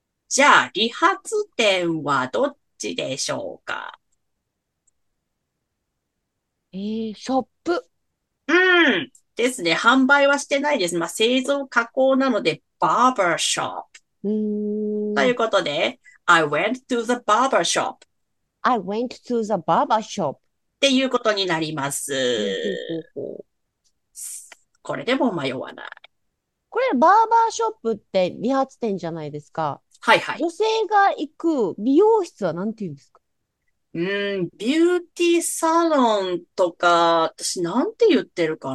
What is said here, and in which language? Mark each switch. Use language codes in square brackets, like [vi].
[ja] じゃあ、理髪店はどっちでしょうか？ショップ。ですね。販売はしてないです。まあ、製造加工なので、バーバーショップ。ということで、 [en] I went to the barber shop。 I went to the barber shop. [ja] っていうことになります。ほうほうほうほう。これでも迷わない。これ、バーバーショップって理髪店じゃないですか。女性が行く美容室は何て言うんですか？ビューティーサロンとか、私なんて言ってるか